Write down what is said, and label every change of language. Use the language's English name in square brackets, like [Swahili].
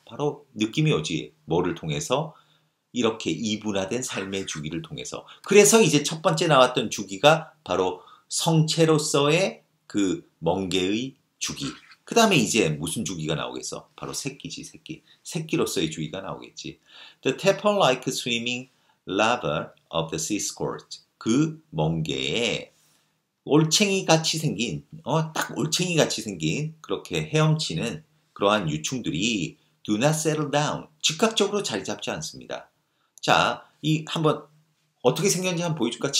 [Korean] 바로 느낌이 오지. 뭐를 통해서? 이렇게 이분화된 삶의 주기를 통해서. 그래서 이제 첫 번째 나왔던 주기가 바로 성체로서의 그 멍게의 주기. 그 다음에 이제 무슨 주기가 나오겠어? 바로 새끼지, 새끼. 새끼로서의 주기가 나오겠지. [English] The tadpole-like swimming larval of the sea scourge. [Korean] 그 멍게에 올챙이 같이 생긴, 딱 올챙이 같이 생긴 그렇게 헤엄치는 그러한 유충들이 [English] do not settle down. [Korean] 즉각적으로 자리 잡지 않습니다. 자, 이 한번 어떻게 생겼는지 한번 보여줄까?